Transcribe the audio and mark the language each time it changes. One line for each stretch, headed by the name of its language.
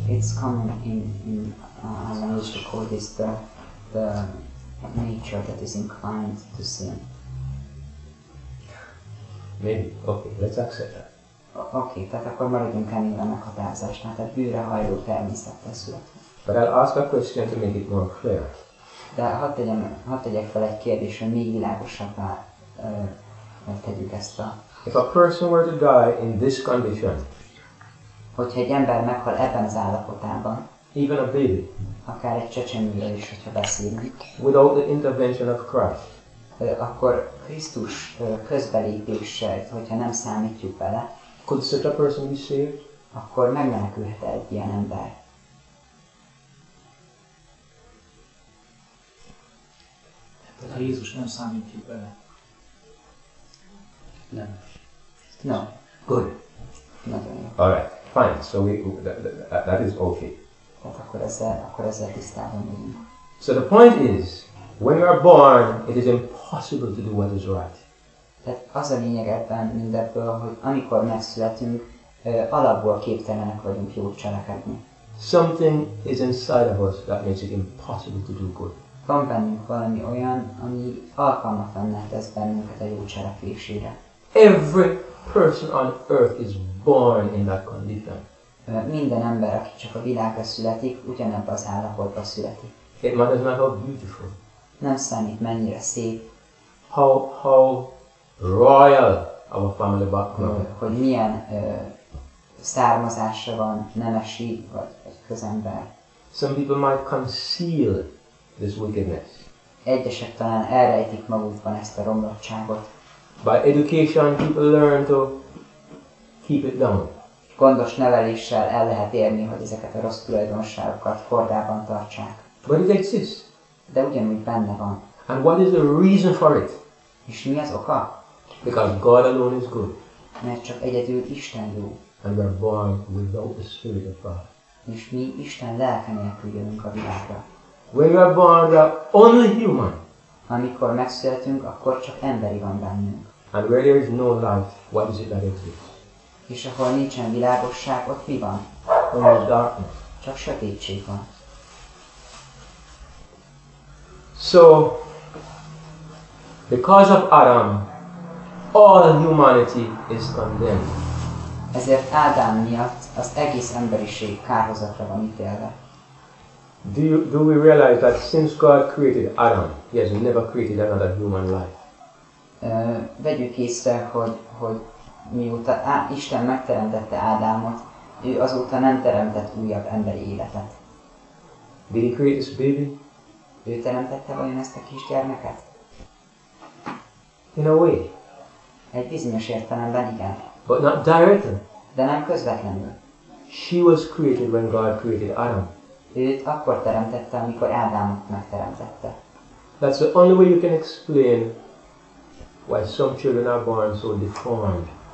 English: It's common in our language to call this the nature that is inclined to sin. Maybe. Okay, let's accept that.
Hungarian: Okay, tehát akkor maradjunk ennél a meghatározásnál, tehát bűnre hajló természettel születve.
English: But I'll ask a question to make it more clear.
Hungarian: De hadd tegyek fel egy kérdés, hogy még világosabbá tegyük ezt a...
English: If a person were to die in this condition,
Hungarian: hogyha egy ember meghal ebben az állapotában,
English: even a baby,
Hungarian: akár egy csecsemőről is, hogyha beszélünk.
English: Without the intervention of Christ.
Hungarian: Akkor Krisztus közbelépéssel, hogyha nem számítjuk bele.
English: Could such a person be saved?
Hungarian: Akkor megmenekülhet egy ilyen ember. Tehát ha Jézus nem számítjuk bele. Nem.
English: No. Good.
Hungarian: Nagyon jó.
English: Alright. Fine. So that is okay.
Hungarian: Akkor ezzel tisztában vagyunk.
English: So the point is, when you are born, it is impossible to do what is right.
Hungarian: Tehát az a lényeg ebben mindebből, hogy amikor megszületünk, alapból képtelenek vagyunk jót cselekedni.
English: Something is inside of us that makes it impossible to do good.
Hungarian: Van bennünk valami olyan, ami alkalmatlanná tesz bennünket a jó cselekvésére.
English: Every person on earth is born in that condition.
Hungarian: Minden ember, aki csak a világra születik, ugyanebben az állapotban születik.
English: It matters not how beautiful.
Hungarian: Nem számít, mennyire szép.
English: How royal our family background.
Hungarian: Hogy milyen származása van, nemesi vagy egy közember.
English: Some people might conceal this wickedness.
Hungarian: Egyesek talán elrejtik magukban ezt a romlottságot.
English: By education, people learn to keep it down.
Hungarian: Gondos neveléssel el lehet érni, hogy ezeket a rossz tulajdonságokat kordában tartsák.
English: But it exists.
Hungarian: De ugyanúgy benne van.
English: And what is the reason for it?
Hungarian: És mi az oka?
English: Because God alone is good.
Hungarian: Mert csak egyedül Isten jó.
English: And we're born without the Spirit of God.
Hungarian: És mi Isten lelke nélkül jönünk a világra.
English: When we are born, we are only human.
Hungarian: Amikor megszületünk, akkor csak emberi van bennünk.
English: And where there is no life, what is it that exists?
Hungarian: És ahol nincsen világosság, ott mi van?
English: Only darkness.
Hungarian: Csak sötétség van.
English: So, because of Adam, all humanity is condemned.
Hungarian: Ezért Ádám miatt az egész emberiség kárhozatra van ítélve.
English: Do we realize that since God created Adam, He has never created another human life?
Hungarian: Vegyük észre, hogy mióta Isten megteremtette Ádámot, ő azóta nem teremtett újabb emberi életet.
English: Did He create this baby?
Hungarian: Ő teremtette vajon ezt a kisgyermeket?
English: In a way.
Hungarian: Egy bizonyos értelemben igen.
English: But not directly.
Hungarian: De nem közvetlenül.
English: She was created when God created Adam.
Hungarian: Őt akkor teremtette, amikor Ádámot megteremtette.
English: That's the only way you can explain why some children are born so deformed.